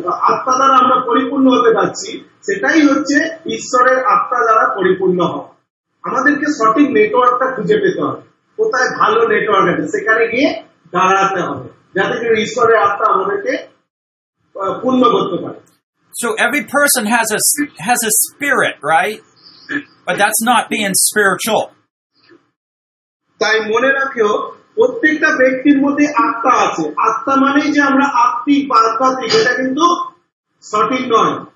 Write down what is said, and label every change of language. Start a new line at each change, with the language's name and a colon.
Bangla: আত্মা দ্বারা আমরা পরিপূর্ণ হতে পারছি সেটাই হচ্ছে ঈশ্বরের আত্মা দ্বারা পরিপূর্ণ হওয়া আমাদেরকে সঠিক নেটওয়ার্কটা খুঁজে পেতে হবে কোথায় ভালো নেটওয়ার্ক আছে সেখানে গিয়ে দাঁড়াতে হবে যাতে করে ঈশ্বরের আত্মা আমাদেরকে পূর্ণ করতে পারে
English: So every person has a spirit, right? But that's not being spiritual.
Bangla: তাই মনে রাখো প্রত্যেকটা ব্যক্তির মধ্যে আত্মা আছে আত্মা মানে যে আমরা আত্মিক বার্তা দিই এটা কিন্তু সঠিক নয়